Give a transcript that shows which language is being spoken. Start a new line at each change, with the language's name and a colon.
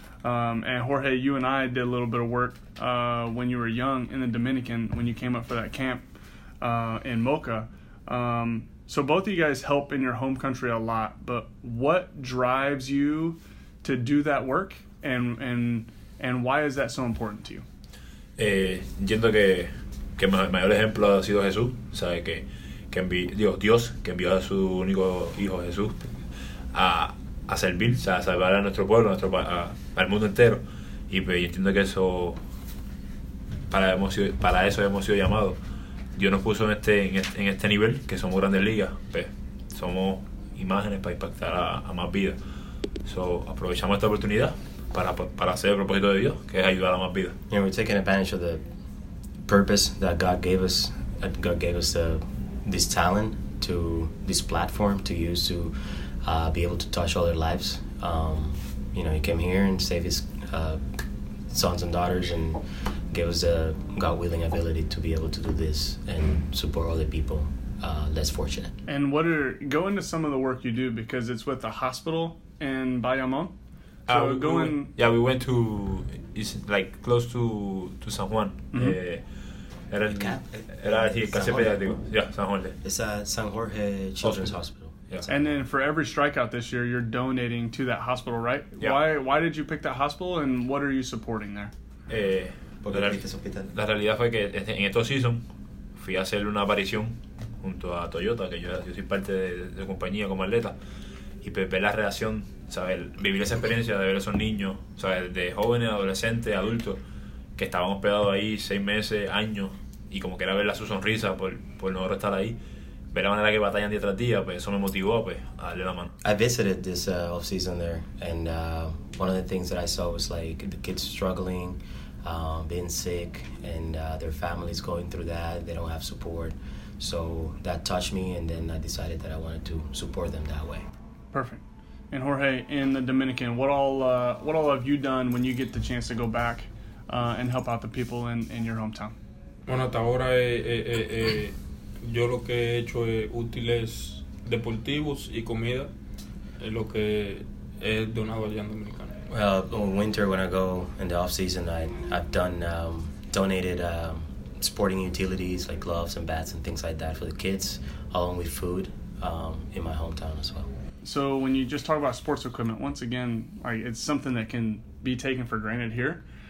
English: And Jorge, you and I did a little bit of work when you were young in the Dominican when you came up for that camp in Moca. So both of you guys help in your home country a lot, but what drives you to do that work and why is that so important to you?
Spanish: Entiendo que el mayor ejemplo ha sido Jesús, sabe que Dios que envió a su único hijo Jesús a servir, o sea, a salvar a nuestro pueblo, al mundo entero. Y pues entiendo que eso, para eso hemos sido llamados. Dios nos puso en este nivel, que somos grandes ligas, pues somos imágenes para impactar a más vidas. So, aprovechamos esta oportunidad para hacer el propósito de Dios, que es ayudar a más vidas.
English: You know, we're taking advantage of the purpose that God gave us, this talent, to this platform to use to be able to touch other lives. You know, he came here and saved his sons and daughters and gave us a God willing ability to be able to do this and support other people. less fortunate. And what are, go into some of the work you do, because it's with the hospital in Bayamón. So we went to, it's like close to San Juan. San Jorge Children's Hospital. Yeah. And then for every strikeout this year, you're donating to that hospital, right? Yeah. Why did you pick that hospital, and what are you supporting there?
Spanish: La realidad fue que en estos season fui a hacer una aparición junto a Toyota, que yo soy parte de compañía como atleta, y ver la reacción, ¿sabes? Vivir esa experiencia de ver a esos niños, ¿sabes? De jóvenes, adolescentes, adultos, que estaban hospedados ahí 6 meses, años, y como que era verla su sonrisa por no estar ahí, ver la manera que batallan día tras día, pues eso me motivó a darle la mano.
English: I visited this off-season there, and one of the things that I saw was like the kids struggling, being sick, and their families going through that, they don't have support. So that touched me, and then I decided that I wanted to support them that way. Perfect. And Jorge, in the Dominican, what all have you done when you get the chance to go back and help out the people in your hometown?
Spanish: Bueno, hasta ahora yo lo que he hecho es útiles deportivos y comida, es lo que he donado allá en Dominicana.
English: Well, in winter when I go in the off season, I've done donated sporting utilities like gloves and bats and things like that for the kids, along with food in my hometown as well. So when you just talk about sports equipment, once again, like, it's something that can be taken for granted here.